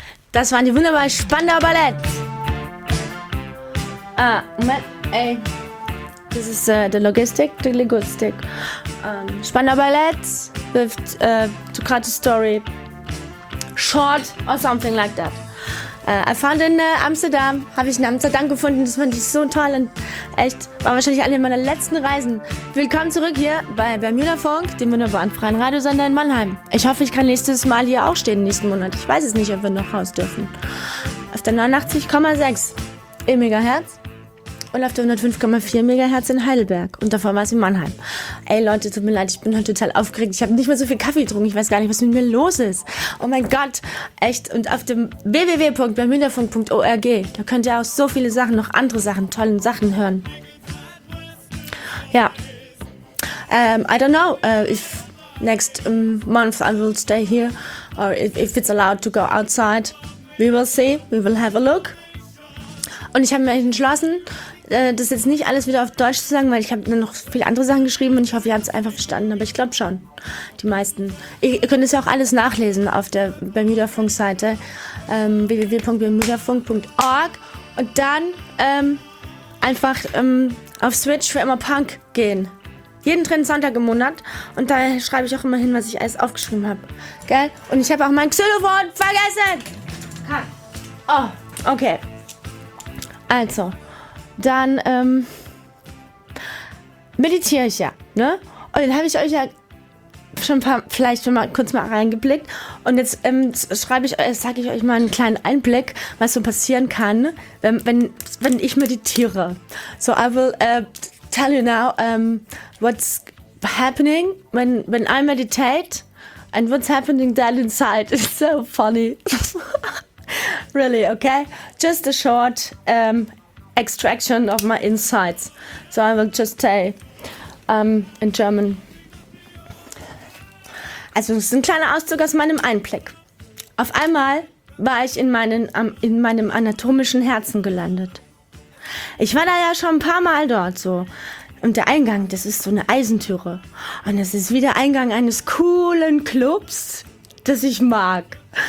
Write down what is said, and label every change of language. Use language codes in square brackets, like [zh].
[de] Das waren die wunderbar spannenden Ballets. Moment, ey. Das ist der Logistik, der Linguistik. Spannender Ballett [en] with Socrates Story. Short or something like that. I found in Amsterdam, [de] habe ich in Amsterdam gefunden, das fand ich so toll und echt, war wahrscheinlich eine meiner letzten Reisen. Willkommen zurück hier bei Bermuda Funk, dem wunderbaren freien Radiosender in Mannheim. Ich hoffe, ich kann nächstes Mal hier auch stehen, nächsten Monat. Ich weiß es nicht, ob wir noch raus dürfen. Auf der 89,6 im Megahertz und auf der 105,4 Megahertz in Heidelberg und davor war es in Mannheim. Ey Leute, tut mir leid, ich bin heute total aufgeregt. Ich habe nicht mehr so viel Kaffee getrunken. Ich weiß gar nicht, was mit mir los ist. Oh mein Gott, echt. Und auf dem www.bermudafunk.org, da könnt ihr auch so viele Sachen, noch andere Sachen, tollen Sachen hören. Ja. [en] I don't know if next month I will stay here or if it's allowed to go outside. We will see, we will have a look. [de] Und ich habe mir entschlossen, das jetzt nicht alles wieder auf Deutsch zu sagen, weil ich habe noch viele andere Sachen geschrieben und ich hoffe, ihr habt es einfach verstanden. Aber ich glaube schon, die meisten. Ihr könnt es ja auch alles nachlesen auf der Bermuda-Funk-Seite www.bermudafunk.org und dann einfach auf Switch für immer Punk gehen. Jeden dritten Sonntag im Monat. Und da schreibe ich auch immer hin, was ich alles aufgeschrieben habe. Gell? Und ich habe auch mein Xylophon vergessen. Ha. Oh, okay. Also, dann meditiere ich ja, ne? Und dann habe ich euch ja schon paar, vielleicht schon mal kurz mal reingeblickt. Und jetzt sage ich euch mal einen kleinen Einblick, was so passieren kann, wenn ich meditiere. [en] So, I will tell you now what's happening when I meditate and what's happening there inside. It's so funny. Really, okay? Just a short extraction of my insights. So I will just say in German. [de] Also es ist ein kleiner Auszug aus meinem Einblick. Auf einmal war ich in meinem anatomischen Herzen gelandet. Ich war da ja schon ein paar Mal dort so. Und der Eingang, das ist so eine Eisentüre. Und das ist wie der Eingang eines coolen Clubs, das ich mag.